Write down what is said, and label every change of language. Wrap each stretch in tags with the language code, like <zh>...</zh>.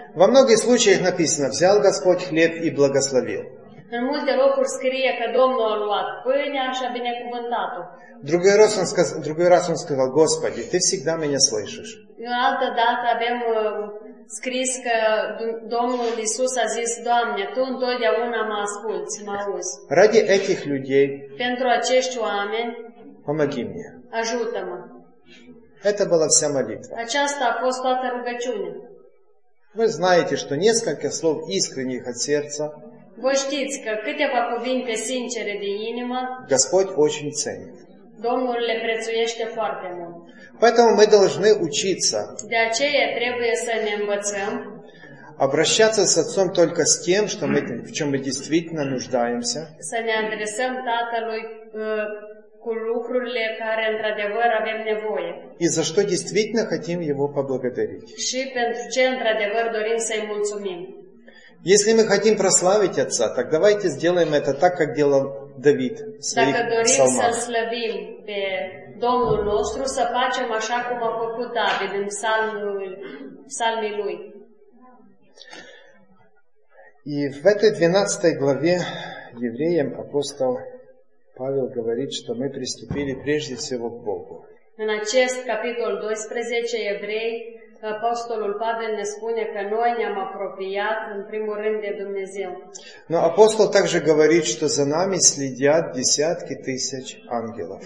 <ru>Во многих случаях написано: взял Господь хлеб и благословил.</ru> <ro>În multe locuri scrie că Domnul a luat pâinea și a binecuvântat-o.</ro> <ru>Другой раз он сказал: Господи, ты всегда меня слышишь.</ru> <ro>În altă dată avem scris că Domnul Iisus a zis: Doamne, Tu întotdeauna mă asculți, mă auzi.</ro> <ru>Ради этих людей.</ru> <ro>Pentru acești oameni.</ro> <ru>Помоги мне.</ru> <ro>Ajută-mă.</ro> <ru>Это была вся молитва.</ru> <ro>Aceasta a fost toată rugăciunea.</ro> <ru>Вы знаете, что несколько слов искренних от сердца.</ru> <ro>Voi știți că câteva cuvinte sincere de inimă</ro> <ru>Господь очень ценит.</ru> <ro>Domnul le prețuiește foarte mult.</ro> <ru>Поэтому мы должны учиться.</ru> <ro>De aceea trebuie să ne învățăm.</ro> <ru>Обращаться с Отцом только с тем, что мы, в чем мы действительно нуждаемся.</ru> <ro>Să ne adresăm Tatălui cu lucrurile care într-adevăr avem nevoie.</ro> <ru>И за что действительно хотим Его поблагодарить.</ru> <ro>Și pentru ce într-adevăr dorim să-i mulțumim.</ro> <ru>Если мы хотим прославить Отца, так давайте сделаем это так, как делал Давид в своих псалмах.</ru> <ro>Dacă dorim să slăvim pe Domnul nostru, să facem așa cum a făcut David în psalmii lui.</ro> <ru>И в этой 12 главе Евреям апостол Павел говорит, что мы приступили прежде всего к Богу.</ru> <ro>În acest capitol 12 Evrei Apostolul Pavel ne spune că noi ne-am apropiat în primul rând de Dumnezeu.</ro> <ru>Но апостол также говорит, что за нами следят десятки тысяч ангелов.</ru>